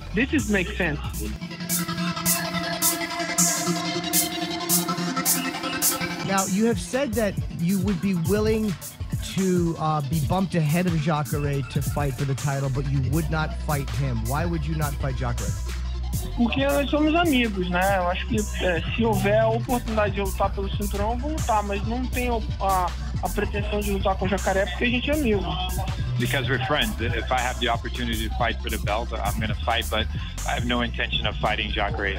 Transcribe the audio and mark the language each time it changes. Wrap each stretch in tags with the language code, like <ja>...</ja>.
<en>This is makes sense. Now, you have said that you would be willing to be bumped ahead of Jacare to fight for the title, but you would not fight him. Why would you not fight Jacare?</en> <pt>Porque nós somos amigos, né? Eu acho que se houver a oportunidade de lutar pelo cinturão, eu vou lutar, mas não tenho a pretensão de lutar com o Jacare porque a gente é amigo.</pt> <en>Because we're friends. If I have the opportunity to fight for the belt, I'm going to fight, but I have no intention of fighting Jacare.</en>